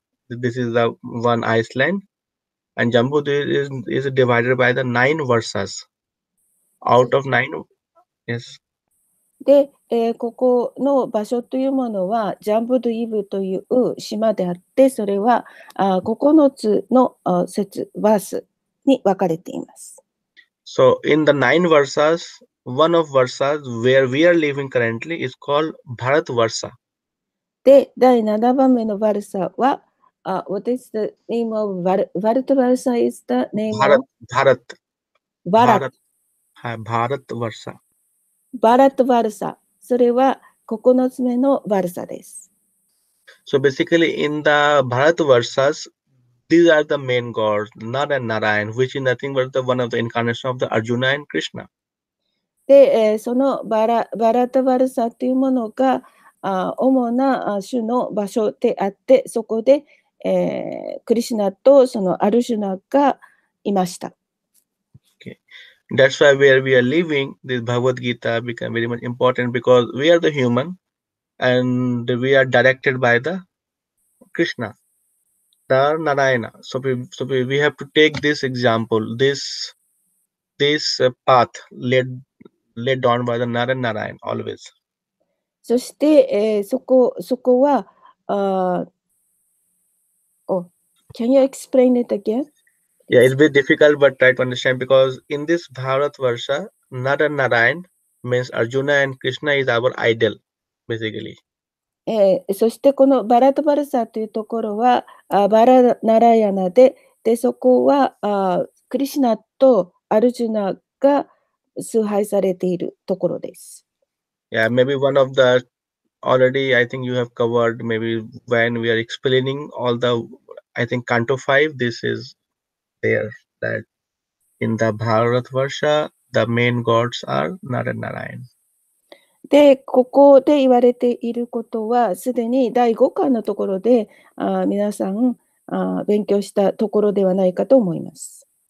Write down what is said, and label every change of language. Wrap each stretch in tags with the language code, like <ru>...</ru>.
<en>This is the one Iceland. And Jambudvip is divided by the 9 Varshas out of nine. Yes.</en> <ja>で、ここの場所というものはジャンブドイブという島であって、それは9つの節、バースに分かれています。</ja> <en>So in the nine verses, one of verses where we are living currently is called Bharat Varsha.</en> <ja>で、第7番目のバルサは、</ja> <en>What is the name of Bharat Varsha? Is the name of Bharat. Bharat. Bharat Varsha.</en> <ja>バラトワルサ、それは9つ目のワルサです。</ja> <en>So basically in the Bharat Varshas, these are the main gods, Nara and Narayan, which is nothing but the one of the incarnation of the Arjuna and Krishna.</en> <ja>で、そのバラトワルサというものが主な主の場所であって、そこで、クリシナとそのアルジュナがいました。</ja> <en>Okay. That's why where we are living, this Bhagavad Gita became very much important because we are the human and we are directed by the Krishna, the Narayana. So we have to take this example, this path led on by the Narayana always.</en> <ja>そして、そこは、</ja> <en>can you explain it again? Yeah, it's a bit difficult, but try to understand because in this Bharat Varsha, Nara Narayan means Arjuna and Krishna is our idol, basically.</en> <ja>そしてこのバラトバルサというところはバラナラヤナで、でそこはクリシナとアルジュナが崇拝されているところです。</ja> <en>Yeah, maybe one of the already I think you have covered maybe when we are explaining all the I think Canto 5, this is. There, that in the Bharat Varsha, the main gods are Nara and Narayan.</en> <ja>で、ここで言われていることは、すでに第5巻のところで、皆さん、勉強したところではないかと思います。</ja>